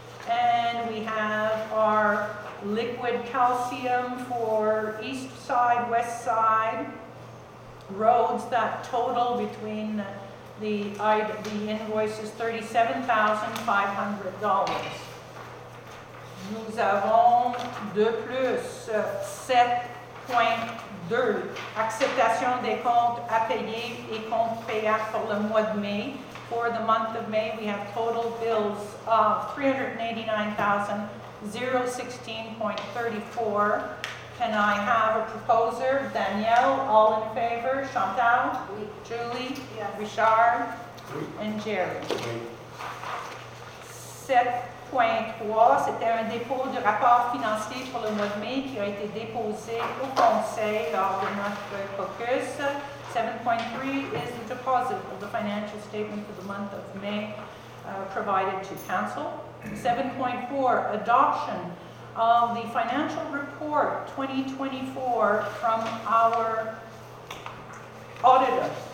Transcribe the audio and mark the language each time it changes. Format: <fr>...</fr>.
<en>And we have our liquid calcium for east side, west side roads that total between the invoices $37,500.</en> <fr>Nous avons de plus 7.2, acceptation des comptes à payer et comptes payables pour le mois de mai.</fr> <en>For the month of May, we have total bills of $389,016.34. Can I have a proposer? Danielle, all in favor? Chantal?</en> <fr>Oui.</fr> <en>Julie? Yes. Richard?</en> <fr>Oui.</fr> <en>And Jerry?</en> <fr>Oui. 7.3, c'était un dépôt de rapport financier pour le mois de mai qui a été déposé au conseil lors de notre caucus.</fr> <en>7.3 is the deposit of the financial statement for the month of May provided to council. 7.4, adoption of the financial report 2024 from our auditor.</en>